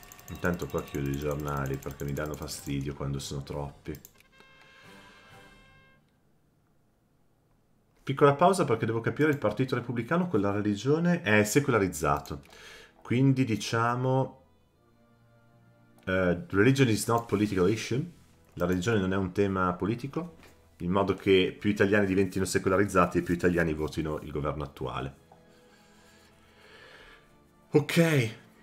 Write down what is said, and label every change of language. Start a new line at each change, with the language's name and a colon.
Italian: Intanto qua chiudo i giornali perché mi danno fastidio quando sono troppi. Piccola pausa perché devo capire il partito repubblicano con la religione è secolarizzato. Quindi diciamo...
English: religion is not political issue.
Italian: La religione non è un tema politico. In modo che più italiani diventino secolarizzati e più italiani votino il governo attuale. Ok.